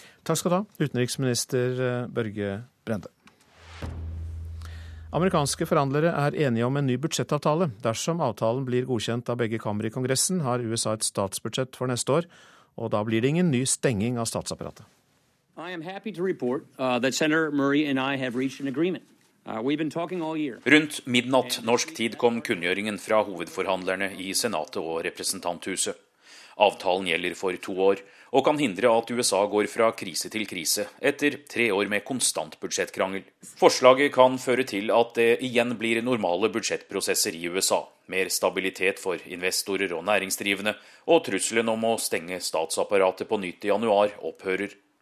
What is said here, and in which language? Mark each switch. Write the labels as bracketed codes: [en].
[no] Takk skal du ha, utenriksminister Børge Brende. Amerikanske forhandlere er enige om en ny budsjettavtale. Dersom avtalen blir godkjent av begge kammer i Kongressen, har USA et statsbudsjett for neste år, og da blir det ingen ny stenging av statsapparatet. [en] I am happy to report that Senator Murray and I have reached an agreement. We've been talking all year. [no] Rundt midnatt norsk tid kom kunngjøringen fra hovedforhandlerne i senatet og representanthuset. Avtalen gjelder for to år, og kan hindre at USA går fra krise til krise etter tre år med konstant budsjettkrangel. Forslaget kan føre til at det igjen blir normale budsjettprosesser i USA, mer stabilitet for investorer og næringsdrivende, og trusselen om å stenge statsapparatet på nytt i januar opphører.